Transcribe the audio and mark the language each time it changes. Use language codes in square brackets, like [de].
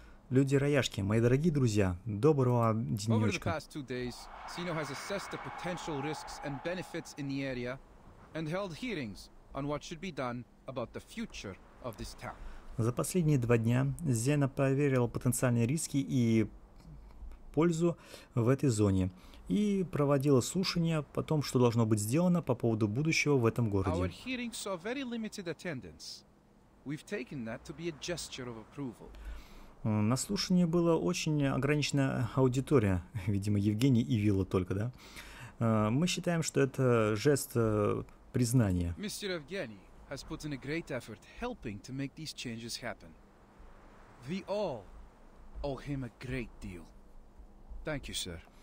[ru] Люди Раяшки, мои дорогие друзья, доброго денечка. [en] Sino has assessed the potential risks and benefits in the area and held hearings on what should be done about the future of this town. [ru] За последние два дня Зена проверил потенциальные риски и пользу в этой зоне и проводила слушания о том, что должно быть сделано по поводу будущего в этом городе. [en] Our hearings saw very limited attendance. We've taken that to be a gesture of approval. [ru] На слушании была очень ограниченная аудитория, видимо, Евгений и Вилла только, да? Мы считаем, что это жест признания. [en] Мистер Евгений has put in a great effort helping to make these changes happen. We all owe him a great deal. Thank you, sir.